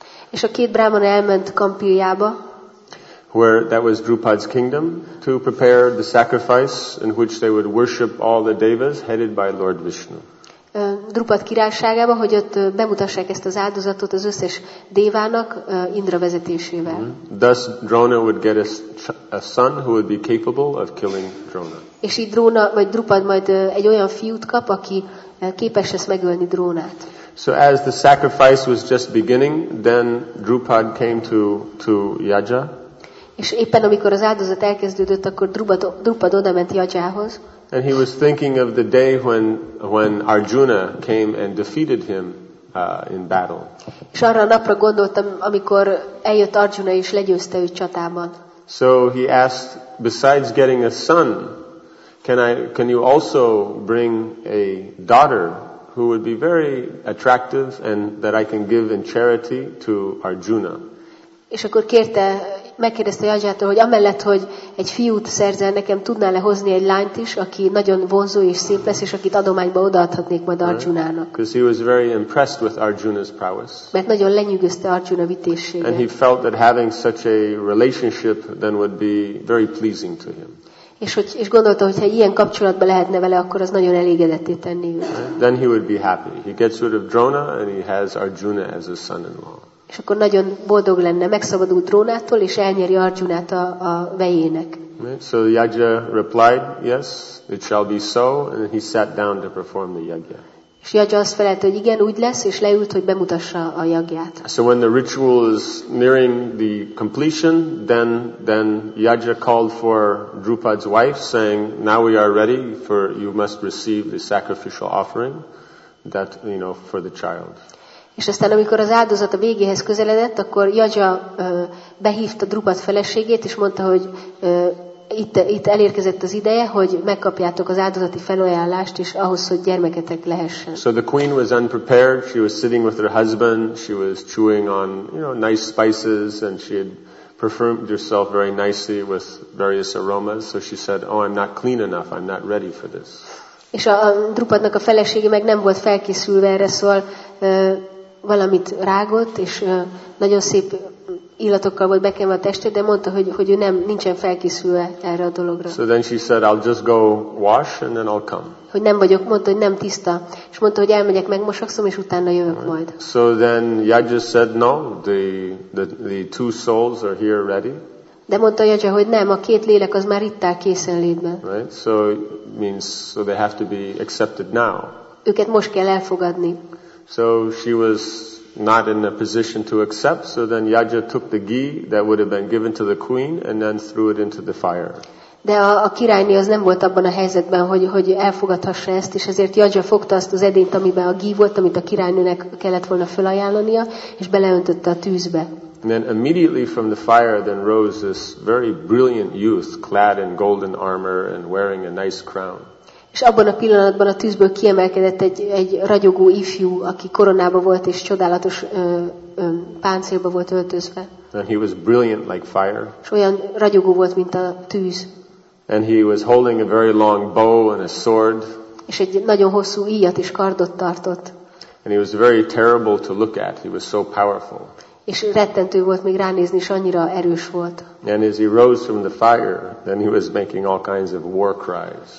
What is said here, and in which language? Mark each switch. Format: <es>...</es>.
<hu>És a két Brahmana elment Kampiljába.</hu> <en>Where that was Drupad's kingdom, to prepare the sacrifice in which they would worship all the devas headed by Lord Vishnu.</en> <hu>Drupad királyságába, hogy ott bemutassák ezt az áldozatot az összes dévának Indra vezetésével.</hu> <en>Thus Drona would get a son who would be capable of killing Drona.</en> <hu>És így Drona vagy Drupad majd egy olyan fiút kap, aki képes lesz megölni Drónát.</hu> <en>So as the sacrifice was just beginning, then Drupad came to Yajna.</en> <hu>És éppen amikor az áldozat elkezdődött, akkor Drupad odament Yajához.</hu> <en>And he was thinking of the day when Arjuna came and defeated him in battle.</en> <hu>És arra a napra gondoltam, amikor eljött Arjuna és legyőzte őt csatában.</hu> <en>So he asked, besides getting a son, can you also bring a daughter who would be very attractive and that I can give in charity to Arjuna?</en> <hu>És akkor megkérdezte Yajnától, hogy amellett, hogy egy fiút szerzel nekem, tudnál-e hozni egy lányt is, aki nagyon vonzó és szép lesz, és akit adományba odaadhatnék majd Arjunának.</hu> <en>Because he was very impressed with Arjuna's prowess.</en> <hu>Mert nagyon lenyűgözte Arjuna vitéssége.</hu> <en>And he felt that having such a relationship then would be very pleasing to him.</en> <hu>És gondolta, hogy ha ilyen kapcsolatban lehetne vele, akkor az nagyon elégedetté tenni őt.</hu> <en>Then he would be happy. He gets rid of Drona and he has Arjuna as his son-in-law.</en> <hu>És akkor nagyon boldog lenne, megszabadult Drónától, és elnyeri Arjunát a vejének.</hu> <en>So Yajna replied, yes, it shall be so, and he sat down to perform the yajna.</en> <hu>És Yajna azt felelte, hogy igen, úgy lesz, és leült, hogy bemutassa a yajnát.</hu> <en>So when the ritual is nearing the completion, then Yajna called for Drupad's wife, saying, now we are ready, for you must receive the sacrificial offering that, you know, for the child.</en> <hu>És aztán, amikor az áldozat a végéhez közeledett, akkor Yajna behívta Drupad feleségét, és mondta, hogy itt elérkezett az ideje, hogy megkapjátok az áldozati felajánlást, és ahhoz, hogy gyermeketek lehessen.</hu> <en>So the queen was unprepared. She was sitting with her husband. She was chewing on, you know, nice spices, and she had perfumed herself very nicely with various aromas. So she said, oh, I'm not clean enough. I'm not ready for this.</en> <hu>És a Drupadnak a felesége meg nem volt felkészülve erre, szóval valamit rágott, és nagyon szép illatokkal volt bekenve a testét, de mondta, hogy ő nincsen felkészülve erre a dologra.</hu> <en>So then she said, I'll just go wash and then I'll come.</en> <hu>Hogy nem vagyok, mondta, hogy nem tiszta, és mondta, hogy elmegyek, megmosakszom, és utána jövök majd.</hu> <en>So then Yajna said, no, the two souls are here ready.</en> <hu>De mondta Yajna, hogy nem, a két lélek az már itt áll készenlétben.</hu> <en>Right, so it means so they have to be accepted now.</en> <hu>Őket most kell elfogadni.</hu> <en>So she was not in a position to accept, so then Yajna took the ghee that would have been given to the queen and then threw it into the fire.</en> <hu>De a királyné az nem volt abban a helyzetben, hogy elfogadhassa ezt, és ezért Yajna fogta azt az edényt, amiben a ghee volt, amit a királynőnek kellett volna felajánlania, és beleöntötte a tűzbe.</hu> <en>And then immediately from the fire then rose this very brilliant youth clad in golden armor and wearing a nice crown.</en> <hu>És abban a pillanatban a tűzből kiemelkedett egy ragyogó ifjú, aki koronába volt és csodálatos páncélba volt öltözve.</hu> <en>And he was brilliant like fire.</en> <hu>És olyan ragyogó volt, mint a tűz.</hu> <en>And he was holding a very long bow and a sword.</en> <hu>És egy nagyon hosszú íjat és kardot tartott.</hu> <en>And he was very terrible to look at. He was so powerful.</en> <hu>És rettentő volt még ránézni, és annyira erős volt.</hu> <en>And as he rose from the fire, then he was making all kinds of war cries.</en>